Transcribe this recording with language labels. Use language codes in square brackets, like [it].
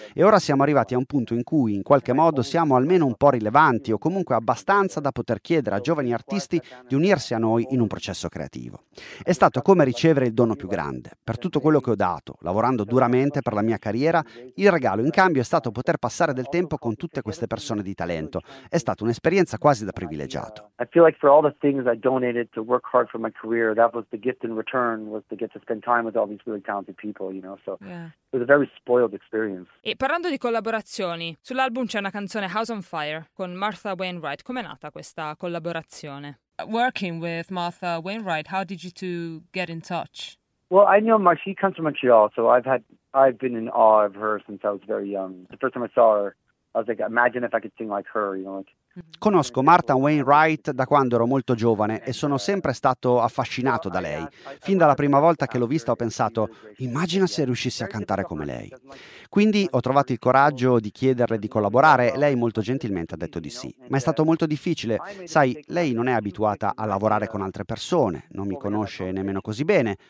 [it] E ora siamo arrivati a un punto in cui, in qualche modo, siamo almeno un po' rilevanti o comunque abbastanza da poter chiedere a giovani artisti di unirsi a noi in un processo creativo. È stato come ricevere il dono più grande. Per tutto quello che ho dato, lavorando duramente per la mia carriera, il regalo in cambio è stato poter passare del tempo con tutte queste persone di talento. È stata un'esperienza quasi da privilegiato. [en] I feel like for all the things I donated to work hard for my career, that was the gift in return, was to get to spend time with all these really talented people, you know, so it was a very spoiled experience. [it] E parlando di collaborazioni, sull'album c'è una canzone House on Fire con Martha Wainwright. Com'è nata questa collaborazione? [en] Working with Martha Wainwright, how did you two get in touch? Well, I know Martha, she comes from Montreal, so I've been in awe of her since I was very young. The first time I saw her, I was like, imagine if I could sing like her, you know, like. [it] Conosco Martha Wainwright da quando ero molto giovane e sono sempre stato affascinato da lei. Fin dalla prima volta che l'ho vista ho pensato, immagina se riuscissi a cantare come lei. Quindi ho trovato il coraggio di chiederle di collaborare e lei molto gentilmente ha detto di sì. Ma è stato molto difficile. Sai, lei non è abituata a lavorare con altre persone, non mi conosce nemmeno così bene.